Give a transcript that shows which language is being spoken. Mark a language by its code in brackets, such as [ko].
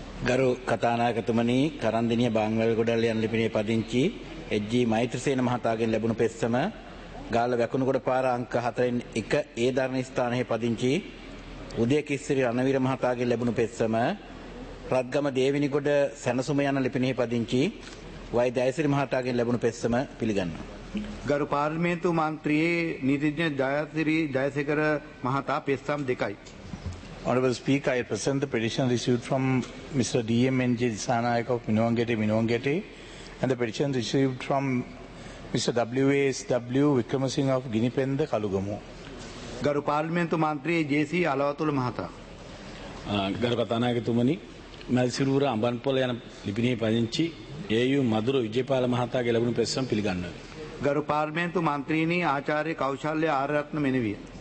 [si] ගරු කථානායකතුමනි, කරන්දිණිය බාංවැල්ගොඩල් යන ලිපිනේ පදිංචි HG මෛත්‍රසේන මහතාගෙන් ලැබුණු පෙස්සම ගාල්ල වැකුණුකොඩ පාර අංක 4.1 ඒ දරන ස්ථානයේ පදිංචි උදේ කිස්සිරි රණවීර මහතාගෙන් ලැබුණු පෙස්සම රත්ගම දේවිනිගොඩ සැනසුම යන ලිපිනෙහි පදිංචි වයි දයසිරි මහතාගෙන් ලැබුණු පෙස්සම පිළිගන්නවා. ගරු පාර්ලිමේන්තු මන්ත්‍රී නීතිඥ දයසිරි ජයසේකර මහතා පෙස්සම් දෙකයි. [en] Honorable Speaker, I present the petition received from Mr. DMNJ Disanayake of Minowangette and the petition received from Mr. WASW Wickremasinghe of Ginipenda Kalugamu. [si] ගරු පාර්ලිමේන්තු මන්ත්‍රී JC අලවතුල මහතා. ගරු කථානායකතුමනි, මැදිසිරුර අඹන්පොළ යන ලිපිනෙහි පදිංචි AU මදුර විජේපාල මහතාගේ ලැබුණු පෙස්සම් පිළිගන්නවා. ගරු පාර්ලිමේන්තු මන්ත්‍රීනි ආචාර්ය කෞශල්‍ය ආරරත්න මෙනවිය.